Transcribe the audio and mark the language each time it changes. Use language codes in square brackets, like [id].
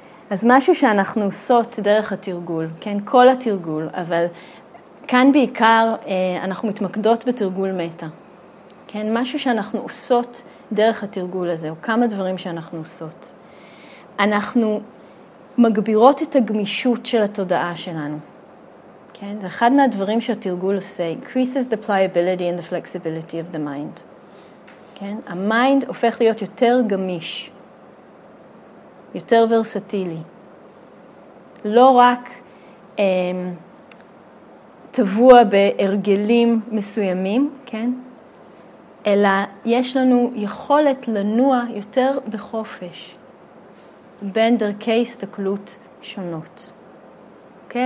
[he] אז משהו שאנחנו עושות דרך התרגול, כן, כל התרגול, אבל כאן בעיקר אנחנו מתמקדות בתרגול מטה. כן, משהו שאנחנו עושות דרך התרגול הזה, או כמה דברים שאנחנו עושות. אנחנו מגבירות את הגמישות של התודעה שלנו. כן, זה אחד מהדברים שהתרגול עושה, [en] increases the pliability and the flexibility of the mind. [he] כן, המיינד הופך להיות יותר גמיש, יותר ורסטילי. לא רק טבוע בהרגלים מסוימים, כן? אלא יש לנו יכולת לנוע יותר בחופש בין דרכי הסתכלות שונות. אוקיי?